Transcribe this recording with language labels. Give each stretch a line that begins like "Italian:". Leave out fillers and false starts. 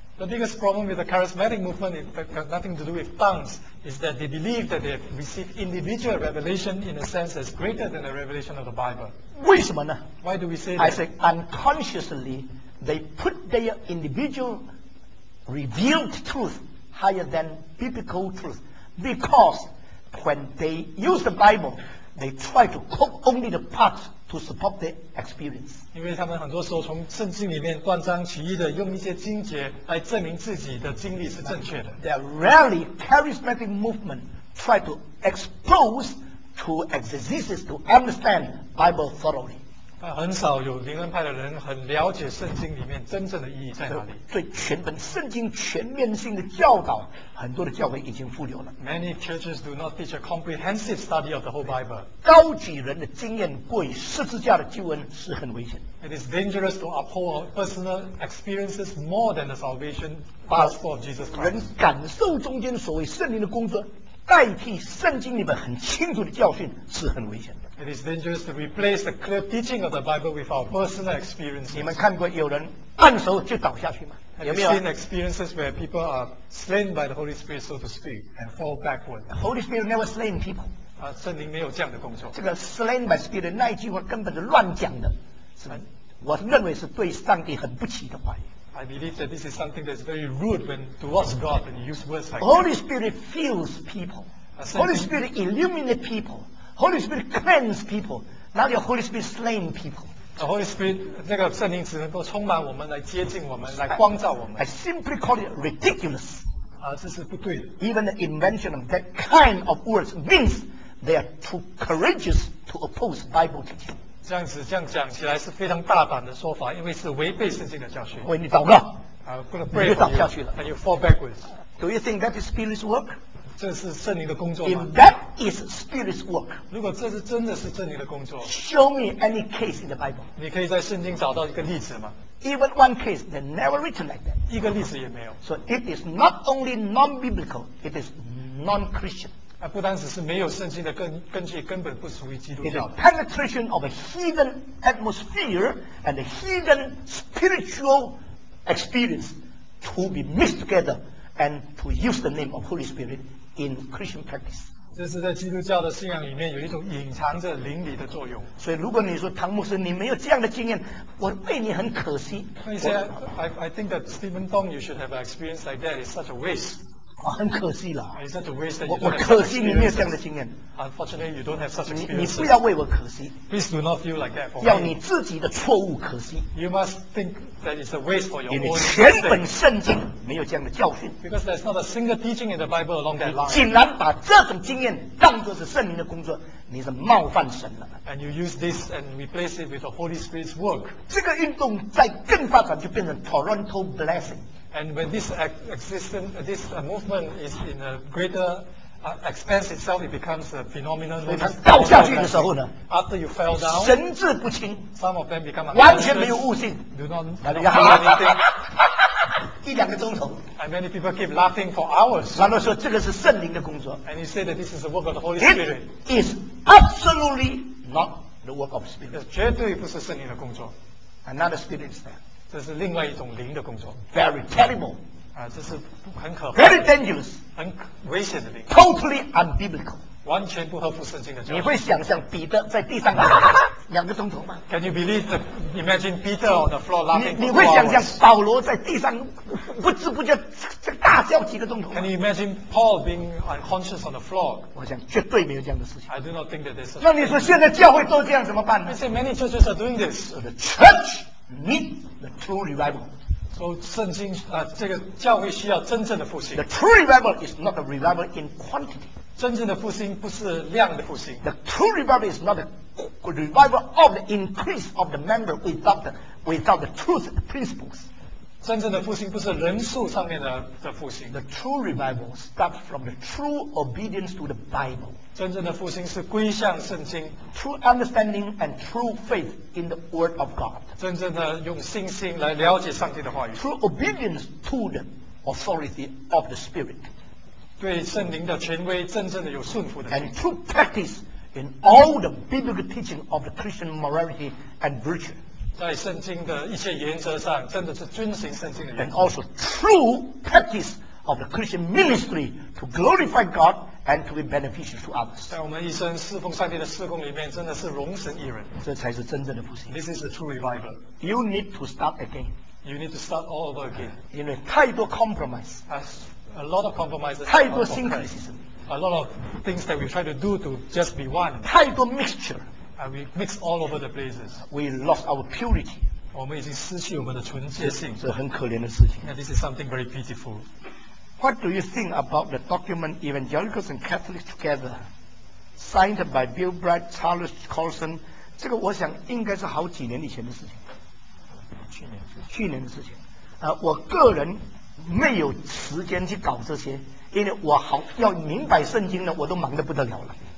English: The biggest problem with the charismatic movement is that has nothing to do with tongues, is that they believe that they have received individual revelation in a sense that's greater than the revelation of the Bible.
Chinese: 为什么呢
English: ？Why do we say that? I say unconsciously they put their individual revealed truth higher than biblical truth because when they use the Bible, they try to quote only the parts to support their experience.
Chinese: 因为他们很多时候从圣经里面断章取义的用一些经节来证明自己的经历是正确的。
English: They rarely charismatic movement try to expose to exegesis to understand Bible thoroughly.
Chinese: 很少有灵恩派的人很了解圣经里面真正的意义在哪里。对全本圣经全面性的教导，很多的教会已经忽略了。
English: Many churches do not teach a comprehensive study of the whole Bible.
Chinese: 高举人的经验过于十字架的救恩是很危险。
English: It is dangerous to uphold our personal experiences more than the salvation gospel of Jesus Christ.
Chinese: 人感受中间所谓圣灵的工作代替圣经里面很清楚的教训是很危险的。
English: It is dangerous to replace the clear teaching of the Bible with our personal experiences.
Chinese: 你们看过有人按手就倒下去吗？有没有
English: Have you seen experiences where people are slain by the Holy Spirit, so to speak, and fall backward? The Holy Spirit never slain people.
Chinese: 啊，圣灵没有这样的工作。这个
English: slain by Spirit
Chinese: 那一句话根本是乱讲的，是吧？我认为是对上帝很不起的话语。
English: I believe that this is something that's very rude when towards God when you use words like that. Holy Spirit fills people. Holy Spirit illuminates people. Holy Spirit cleanses people. Now the Holy Spirit slain people. The Holy Spirit
Chinese: 那个圣灵只能够充满我们，来接近我们，来光照我们。
English: I simply call it ridiculous.
Chinese: 啊，这是不对的。
English: Even the invention of that kind of words means they are too courageous to oppose Bible teaching.
Chinese: 这样子，这样讲起来是非常大胆的说法，因为是违背圣经的教训。为你祷告，啊，不能背，你就倒下去了。
English: And you fall backwards. Do you think that is Spirit's work?
Chinese: 这是圣灵的工作吗？
English: If that is Spirit's work,
Chinese: 如果这是真的是圣灵的工作，
English: Show me any case in the Bible.
Chinese: 你可以在圣经找到一个例子吗？
English: Even one case, they never written like that.
Chinese: 一个例子也没有。
English: So it is not only non-biblical, it is non-Christian.
Chinese: 它不单只是没有圣经的根据，根本不属于基督教的。
English: It is penetration of a heathen atmosphere and a heathen spiritual experience to be mixed together and to use the name of Holy Spirit in Christian practice.
Chinese: 这是在基督教的信仰里面有一种隐藏着灵里的作用。所以，如果你说唐牧师你没有这样的经验，我为你很可惜。
English: I think that Stephen Dong, you should have an experience like that. It's such a waste.
Chinese: 啊、很可惜了
English: Is that a waste that
Chinese: 我可惜你没有这样的经验
English: Unfortunately, you don't have such experience.
Chinese: 你不要为我可惜
English: Please do not feel like that for
Chinese: 要你自己的错误可惜
English: You must think that it's a waste for your own
Chinese: 全本圣经没有这样的教训
English: Because there's not a single teaching in the Bible along that line
Chinese: 你竟然把这种经验当作是圣灵的工作你是冒犯神了
English: And you use this and replace it with the Holy Spirit's work
Chinese: 这个运动在更发展就变成 Toronto Blessing
English: And when this existence, this movement is in a greater expense itself, it becomes a phenomenon.
Chinese: 所以他倒下去的时候呢
English: ，After you fell down,
Chinese: 神志不清
English: ，Some of them become
Chinese: 完全没有悟性
English: ，Do not know anything.
Chinese: 一两个钟头
English: ，And many people keep laughing for hours.
Chinese: 然后说这个是圣灵的工作
English: ，And you say that this is the work of the Holy Spirit. It is absolutely not the work of Spirit.
Chinese: 绝对不是圣灵的工作
English: ，Another Spirit is there.
Chinese: 这是另外一种灵的工作
English: Very terrible
Chinese: 啊，这是很可怕
English: Very dangerous
Chinese: 很危险的灵
English: Totally unbiblical
Chinese: 完全不合乎圣经的教你会想象彼得在地上两个钟头吗
English: Can you believe the, Imagine Peter on the floor laughing
Chinese: 你会想象保罗在地上不知不觉这大笑几个钟头
English: Can you imagine Paul being unconscious on the floor
Chinese: 我想绝对没有这样的事情
English: I do not think that this is
Chinese: 那你说现在教会都这样怎么办呢
English: You say many churches are doing this The churchNeed the true revival.
Chinese: So, 圣经啊，这个教会需要真正的复兴。
English: The true revival is not the revival in quantity.
Chinese: 真正的复兴不是量的复兴。
English: The true revival is not the revival of the increase of the member without the truth principles.
Chinese: 真正的复兴不是人数上面的复兴。
English: The true revival starts from the true obedience to the Bible.
Chinese: 真正的复兴是归向圣经
English: True understanding and true faith in the word of God
Chinese: 真正的用信心来了解上帝的话语
English: True obedience to the authority of the spirit
Chinese: 对圣灵的权威真正的有顺服的
English: And true practice in all the biblical teaching of the Christian morality and virtue
Chinese: 在圣经的一切原则上真的是遵循圣经的原则
English: And also true practice of the Christian ministry to glorify GodAnd to be beneficial to others.
Chinese: 在我们一生侍奉上帝的事工里面，真的是荣神益人。这才是真正的复兴。
English: This is the true revival. You need to start again. You need to start all over again.
Chinese: 因为太多 compromise.
English: A lot of compromises.
Chinese: 太多 syncretism.
English: A lot of things that we try to do to just be one.
Chinese: 太多 mixture.
English: And we mix all over the places. We lost our purity.
Chinese: 我们已经失去我们的纯洁性。这很可怜的事情。
English: And this is something very pitiful. What do you think about the document Evangelicals and Catholics Together signed by Bill Bright, Charles Colson?
Chinese: 这个我想应该是好几年以前的事情。去年的事情。我个人没有时间去搞这些，因为我好要明白圣经呢，我都忙得不得了了。